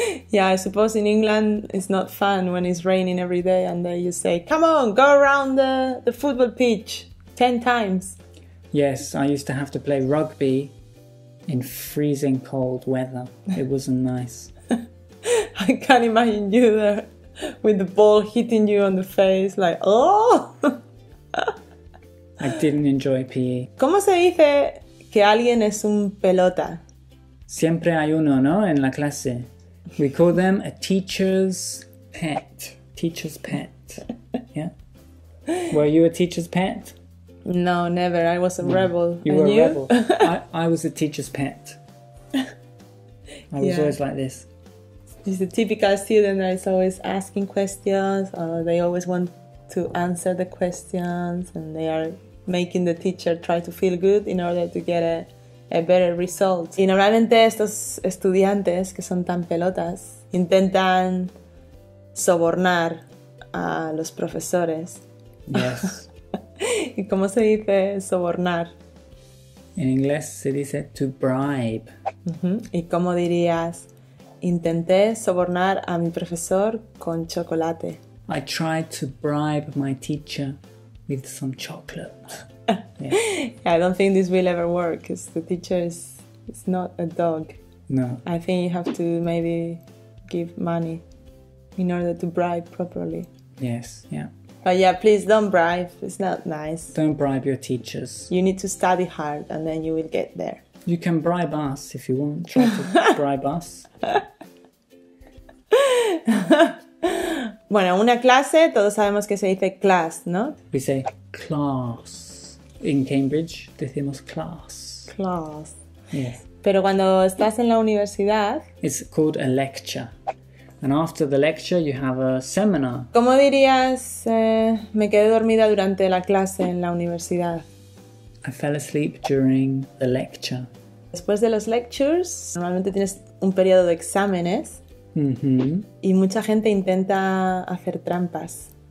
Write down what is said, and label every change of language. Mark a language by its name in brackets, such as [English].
[English] Yeah, I suppose in England it's not fun when it's raining every day and you say, come on, go around the football pitch 10 times. Yes, I used to have to play rugby in freezing cold weather. It wasn't nice. I can't imagine you there with the ball hitting you on the face, like, oh! I didn't enjoy PE. [Spanish] ¿Cómo se dice que alguien es un pelota? Siempre hay uno, ¿no? En la clase. [English] We call them a teacher's pet. Teacher's pet. Yeah? Were you a teacher's pet? No, never. I was a rebel. You were a rebel. I was a teacher's pet. I was always like this. He's a typical student that is always asking questions. They always want to answer the questions. And they are making the teacher try to feel good in order to get a better result. [Spanish] Y normalmente estos estudiantes que son tan pelotas intentan sobornar a los profesores. [English] Yes. [Spanish] ¿Y cómo se dice sobornar? En inglés se dice [English] to bribe. [Spanish] ¿Y cómo dirías intenté sobornar a mi profesor con chocolate? [English] I tried to bribe my teacher with some chocolate. Yeah. I don't think this will ever work because the teacher is not a dog. No. I think you have to maybe give money in order to bribe properly. Yes, yeah. But yeah, please don't bribe. It's not nice. Don't bribe your teachers. You need to study hard and then you will get there. You can bribe us if you want. Try to bribe us. [Spanish] Bueno, una clase, todos sabemos que se dice class, ¿no? [English] We say class. In Cambridge, [Spanish] decimos [English] class. Class. Yes. [Spanish] Pero cuando estás en la universidad... [English] It's called a lecture. And after the lecture, you have a seminar. [Spanish] ¿Cómo dirías, me quedé dormida durante la clase en la universidad? [English] I fell asleep during the lecture. [Spanish] Después de los lectures, normalmente tienes un periodo de exámenes. Mm-hmm. Y mucha gente intenta hacer trampas.